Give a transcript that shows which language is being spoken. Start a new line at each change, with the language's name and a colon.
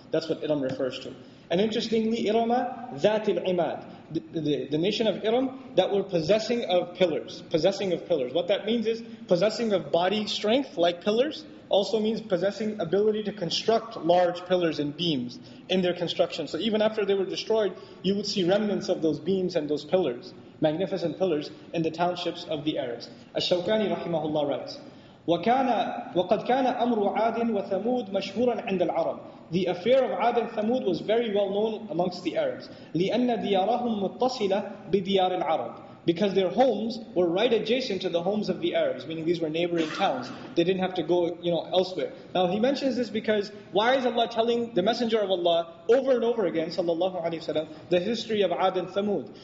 English: That's what Iram refers to. And interestingly, Irama, Zatil Imad, the nation of Iram that were possessing of pillars, possessing of pillars. What that means is possessing of body strength like pillars, also means possessing ability to construct large pillars and beams in their construction. So even after they were destroyed, you would see remnants of those beams and those pillars, magnificent pillars, in the townships of the Arabs. Ash-Shawkani rahimahullah writes,
Arabic: وَقَدْ كَانَ أَمْرُ عَادٍ وَثَمُودٍ مَشْهُورًا عِنْدَ الْعَرَبِ.
English: The affair of Ad and Thamud was very well known amongst the Arabs.
Arabic: لِأَنَّ دِيَارَهُمْ مُتَّصِلَةً بِدِيَارِ الْعَرَبِ.
English: Because their homes were right adjacent to the homes of the Arabs, meaning these were neighboring towns. They didn't have to go, you know, elsewhere. Now he mentions this because why is Allah telling the Messenger of Allah over and over again, sallallahu alaihi wasallam, the history of Ad and Thamud?